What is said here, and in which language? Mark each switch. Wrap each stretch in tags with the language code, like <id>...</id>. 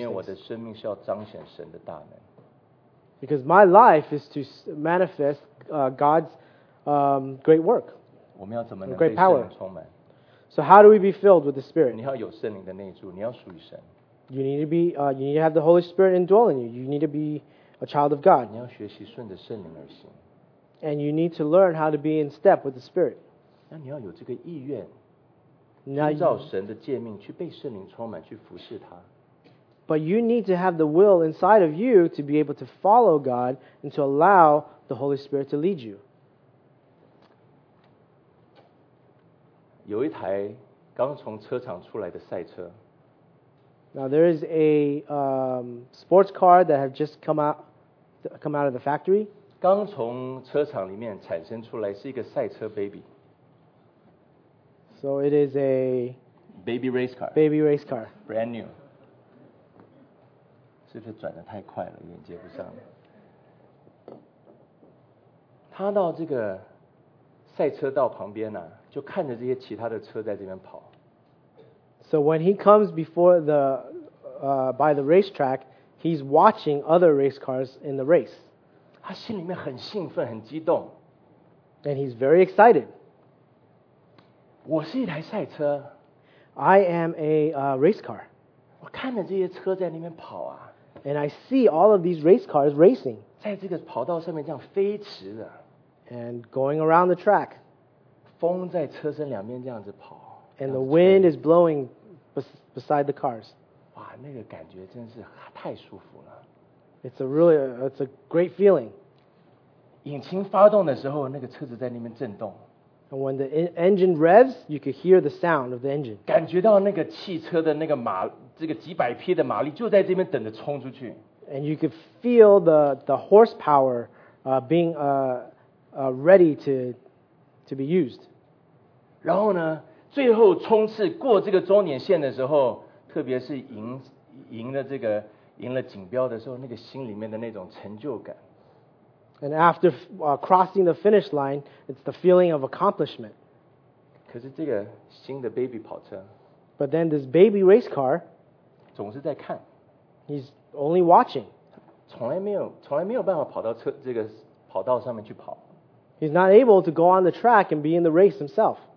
<zh>因为我的生命是要彰显神的大能。</zh> <en>Because my life is to manifest God's great work.</en> <zh>我们要怎么能被圣灵充满？</zh> <en>So how do we be filled with the Spirit?</en> <zh>你要有圣灵的内住，你要属于神。</zh> <en>You need to be, you need to have the Holy Spirit indwell in you. You need to be a child of God.</en> <zh>你要学习顺着圣灵而行。</zh> <en>And you need to learn how to be in step with the Spirit.</en> <zh>那你要有这个意愿，遵照神的诫命去被圣灵充满，去服侍他。</zh> <en>But you need to have the will inside of you to be able to follow God and to allow the Holy Spirit to lead you.</en> <zh>有一台刚从车厂出来的赛车。</zh> <en>Now there is a sports car that have just come out of the factory.</en> <zh>刚从车厂里面产生出来是一个赛车 baby.</zh> <en>So it is a baby race car. Baby race car. Brand new.</en> <zh>是不是转得太快了，眼接不上？他到这个赛车道旁边呢，就看着这些其他的车在这边跑。</zh> <en>So when he comes before the, by the racetrack, he's watching other race cars in the race.</en> <zh>他心里面很兴奋，很激动。</zh> <en>And he's very excited.</en> <zh>我是一台赛车。</zh> <en>I am a race car.</en> <zh>我看着这些车在那边跑啊。</zh> <en>And I see all of these race cars racing.</en> <zh>在这个跑道上面这样飞驰的。</zh> <en>And going around the track.</en> <zh>风在车身两边这样子跑。</zh> <en>And the wind is blowing beside the cars.</en> <zh>哇，那个感觉真是太舒服了。</zh> <en>It's a great feeling.</en> <zh>引擎发动的时候，那个车子在那边震动。</zh> <en>And when the engine revs, you could hear the sound of the engine.</en> <zh>感觉到那个汽车的那个马，这个几百匹的马力就在这边等着冲出去。</zh> <en>And you could feel the horsepower being ready to be used.</en> <zh>然后呢？最后冲刺过这个终点线的时候，特别是赢了锦标的时候，那个心里面的那种成就感。</zh> <en>And after crossing the finish line, it's the feeling of accomplishment.</en> <zh>可是这个新的 baby 跑车</zh> <en>，But then this baby race car,</en> <zh>总是在看</zh> <en>，He's only watching.</en> <zh>从来没有办法跑到车这个跑道上面去跑。</zh> <en>He's not able to go on the track and be in the race himself.</en>